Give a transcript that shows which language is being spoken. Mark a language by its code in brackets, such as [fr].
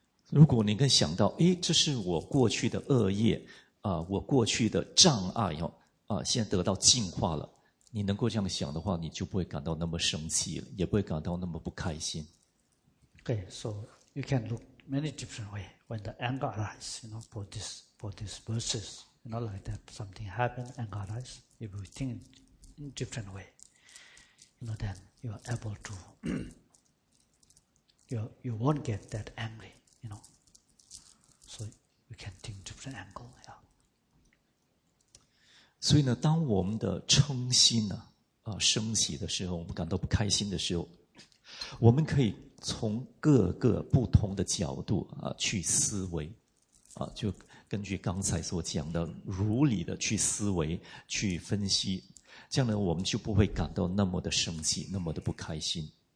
[zh] 如果你能想到，诶，这是我过去的恶业，我过去的障碍，现在得到净化了，你能够这样想的话，你就不会感到那么生气了，也不会感到那么不开心。 [en] Okay, so you can look many different ways. When the anger arises, you know, for this verses, you know, like that, something happened, anger arises. If you think in different way, you know, then you are able to, you won't get that angry, you know. So you can think different angle, yeah. [zh] 所以呢，当我们的嗔心呢，升起的时候，我们感到不开心的时候，我们可以从各个不同的角度去思维就根据刚才所讲的如理的去思维去分析，这样呢我们就不会感到那么的生气，那么的不开心。